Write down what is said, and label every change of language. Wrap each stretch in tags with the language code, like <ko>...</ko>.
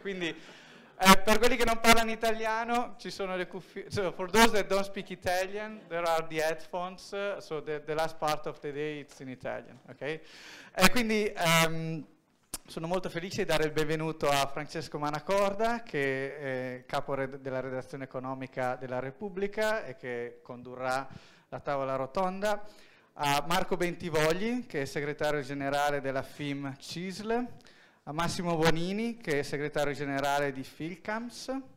<it>Quindi per quelli che non parlano italiano, ci sono le cuffie.</it> <en>So for those that don't speak Italian, there are the headphones. So the last part of the day it's in Italian, okay?</en> <it>E quindi sono molto felice di dare il benvenuto a Francesco Manacorda, che è capo della redazione economica della Repubblica e che condurrà la tavola rotonda, a Marco Bentivogli, che è segretario generale della FIM CISL, a Massimo Bonini, che è segretario generale di Filcams,</it>